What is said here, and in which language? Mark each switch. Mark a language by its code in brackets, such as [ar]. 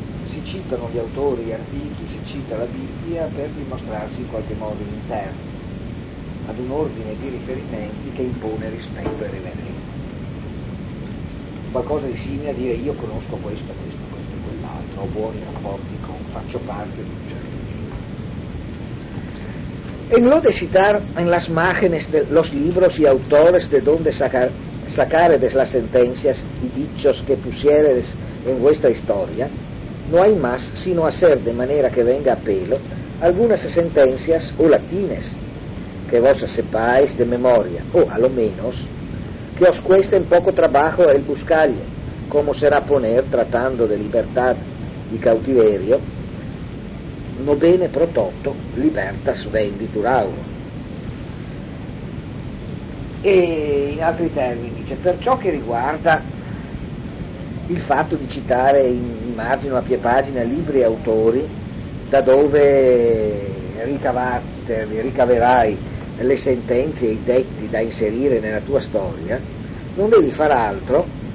[it] Si citano gli autori, gli antichi, si cita la Bibbia per dimostrarsi in qualche modo interni ad un ordine di riferimenti che impone rispetto e reverenza. Qualcosa di simile a dire io conosco questo, questo, ho buoni rapporti con, faccio parte di un certo tipo. [es] En lo de citar en las márgenes de los libros y autores de donde sacare de las sentencias y dichos que pusieres en vuestra historia, no hay más sino hacer de manera que venga a pelo algunas sentencias o latines que vos sepáis de memoria, o a lo menos que os cueste un poco trabajo el buscarle, como será poner, tratando de libertad y cautiverio, no bene prototo libertas venditur auro. [it] E in altri termini, dice, per ciò che riguarda il fatto di citare in margine o a pie pagina libri e autori da dove ricaverai le sentenze e i detti da inserire nella tua storia, non devi far altro